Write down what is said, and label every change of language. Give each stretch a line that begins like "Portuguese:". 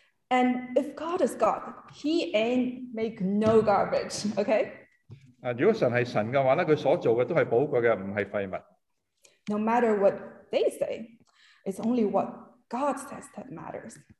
English: And if God is God, He ain't make no garbage, okay?
Chinese: 如果神是神的话，他所做的都是宝贵的，不是废物。
English: No matter what they say, it's only what God says that matters.